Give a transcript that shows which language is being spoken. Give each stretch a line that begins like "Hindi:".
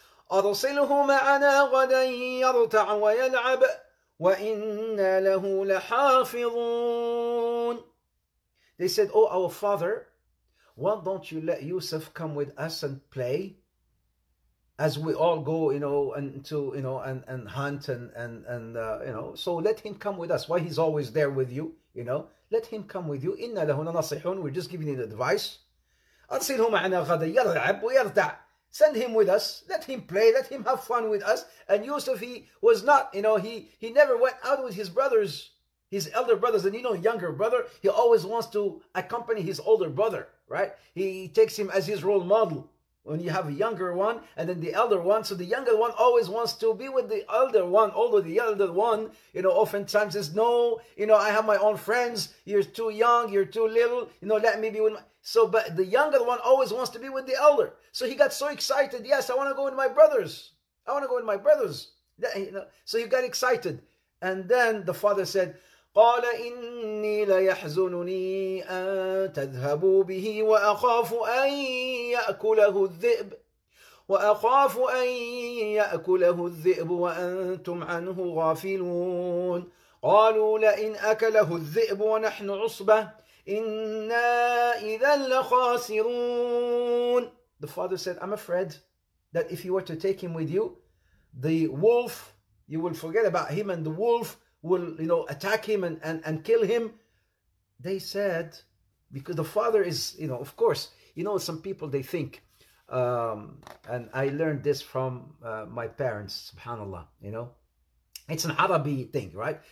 Arabic: أرسله معنا غدا يرتع ويلعب وإنا له لحافظون.
English: They said, oh, our father, why don't you let Yusuf come with us and play as we all go, you know, and hunt, so let him come with us. Why he's always there with you, you know, let him come with you.
Arabic: إنا له لنصحون.
English: We're just giving him advice.
Arabic: أرسله معنا غدا يلعب ويرتع.
English: Send him with us. Let him play. Let him have fun with us. And Yusuf, he was not, you know, he never went out with his brothers, his elder brothers. And, you know, younger brother, he always wants to accompany his older brother, right? He takes him as his role model. When you have a younger one and then the elder one. So the younger one always wants to be with the elder one. Although the elder one, you know, oftentimes says, no, you know, I have my own friends. You're too young. You're too little. You know, let me be with my... So, but the younger one always wants to be with the elder. So he got so excited. Yes, I want to go with my brothers. I want to go with my brothers. That, you know, so he got excited. And then the father said,
Arabic: قَالَ إِنِّي لَيَحْزُنُنِي أَن تَذْهَبُوا بِهِ وَأَخَافُ أَن يَأْكُلَهُ الذِّئْبُ وَأَخَافُ أَن يَأْكُلَهُ الذِّئْبُ وَأَنْتُمْ عَنْهُ غَافِلُونَ قَالُوا لَئِنْ أَكَلَهُ الذِّئْبُ وَنَحْنُ عُصْبَةٌ إِنَّا إِذًا لَخَاسِرُونَ.
English: The father said, I'm afraid that if you were to take him with you, the wolf, you will forget about him, and the wolf will, you know, attack him and kill him. They said, because the father is, you know, of course, you know, some people, they think, and I learned this from my parents, subhanAllah, you know, it's an Arabi thing, right?